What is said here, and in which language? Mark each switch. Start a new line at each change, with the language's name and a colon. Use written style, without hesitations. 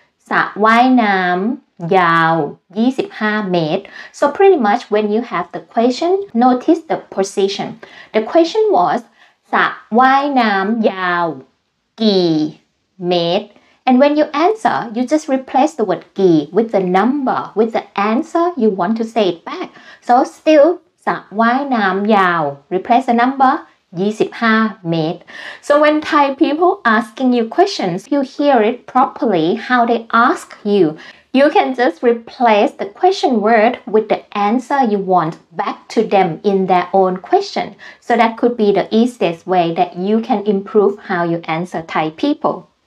Thai: สระว่ายน้ำยาว25เมตร
English: So pretty much when you have the question notice the position The question was
Thai: สระว่ายน้ำยาวกี่เมตร
English: And when you answer, you just replace the word กี่ with the number with the answer you want to say it back. So still
Thai: สระว่ายน้ำยาว
English: replace the number 25 meters. So when Thai people asking you questions, you hear it properly how they ask you. You can just replace the question word with the answer you want back to them in their own question. So that could be the easiest way that you can improve how you answer Thai people.